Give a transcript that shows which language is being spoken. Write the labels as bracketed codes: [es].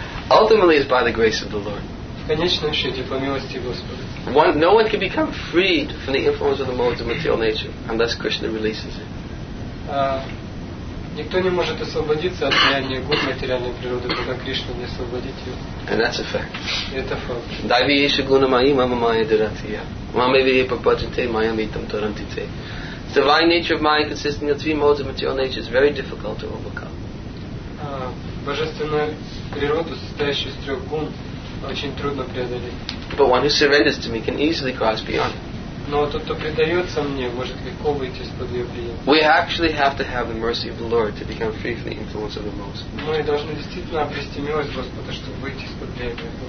[en] Ultimately, it's by the grace of the Lord. [ru] бесконечном счете по милости Господа. [en] One, no one can become freed from the influence of the modes of material nature unless Krishna releases it. [ru] Никто не может освободиться от влияния гун материальной природы, пока Кришна не освободит ее. [en] And that's a fact. [ru] Это факт. [sa] Дайвиеша гуна майи мама майя дратия. Маме вие пападжите майя митам тарантите. [en] The divine nature of mind consisting of three modes of material nature is very difficult to overcome. [ru] Божественную природу, состоящую из трех гун, очень трудно преодолеть. [en] But one who surrenders to me can easily cross beyond. [ru] Но тот, кто предается мне, может легко выйти из-под ее влияния. [en] We actually have to have the mercy of the Lord to become free from the influence of the modes. [ru] Мы должны действительно обрести милость Господа, чтобы выйти из-под влияния.